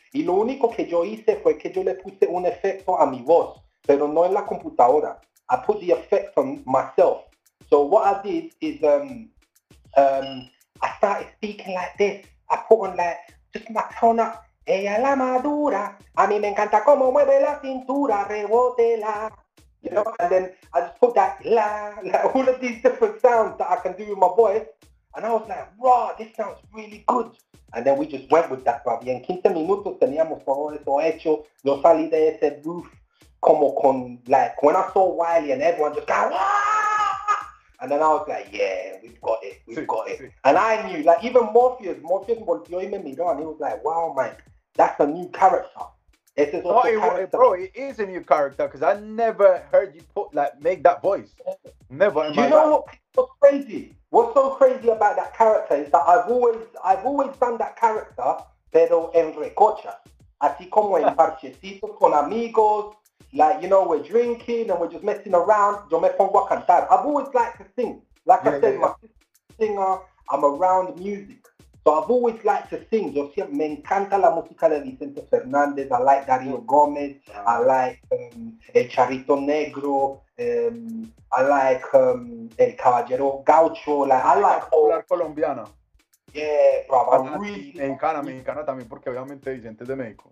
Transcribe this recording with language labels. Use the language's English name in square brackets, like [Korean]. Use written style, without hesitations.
[Spanish] Y lo único que yo hice fue que yo le puse un efecto a mi voz, pero no en la computadora. [English] I put the effect on myself. So what I did is I started speaking like this. I put on like just my tone up. [Spanish] Ella la madura. A mí me encanta cómo mueve la cintura. Rebotela. [English] You know, and then I just put that la, like all of these different sounds that I can do with my voice. And I was like, wow, this sounds really good. And then we just went with that, bro. [Spanish] Y en 15 minutos teníamos todo eso hecho. Yo salí de ese roof. [English] Como con, like, when I saw Wiley and everyone just got, wah! And then I was like, yeah, we've got it. And I knew, like, even Morpheus volteó y me miró, and he was like, wow, man, that's a new character. It is a new character, because I never heard you put, like, make that voice. Never in my life. What's so crazy about that character is that I've always done that character, pero en recocha. [Spanish] Así como en parchecitos con amigos. [English] Like, you know, we're drinking and we're just messing around. Yo me pongo a cantar. I've always liked to sing. My singer, I'm around music. So I've always liked to sing. [Spanish] Yo siempre me encanta la música de Vicente Fernández. [English] I like Darío Gómez. I like El Charrito Negro. I like El Caballero Gaucho. Like, I like [Spanish] all. Popular colombiana. [English] Yeah, bro. [Spanish] Me encanta también porque obviamente Vicente es de México.